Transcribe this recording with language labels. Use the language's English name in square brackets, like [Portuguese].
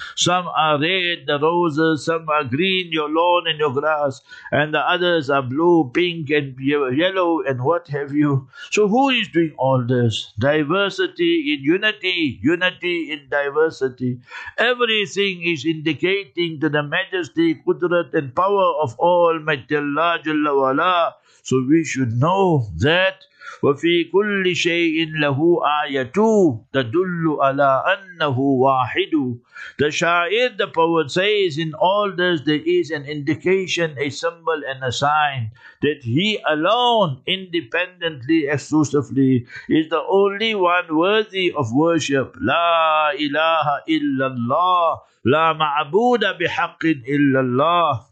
[English] Some are red, the roses, some are green, your lawn and your grass, and the others are blue, pink and yellow and what have you. So who is doing all this? Diversity in unity, unity in diversity. Everything is indicating to the majesty, qudrat and power of Almighty Allah Jalla Wala. So we should know that [Arabic] وفي كل شيء له آية تدل على أنه واحد. [English] The Shair, the poet, says, in all this there is an indication, a symbol and a sign that he alone, independently, exclusively, is the only one worthy of worship. [Arabic] لا إله إلا الله لا معبود بحق إلا الله.